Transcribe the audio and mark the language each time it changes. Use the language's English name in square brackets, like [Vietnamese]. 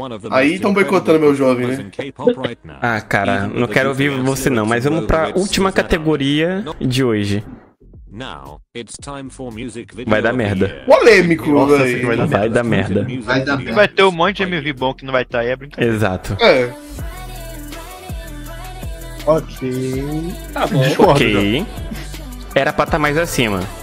[Portuguese] Aí tão boicotando meu jovem, né? Ah, cara, não quero ouvir você não, mas vamos pra última categoria de hoje. [English] Now, it's time for music video. [Portuguese] Vai dar merda. Polêmico, velho. Vai dar merda. Vai ter um monte de MV bom que não vai estar aí, é brincadeira. Exato. É. Ok. Tá bom. Discordo, ok. Já. Era pra estar mais acima.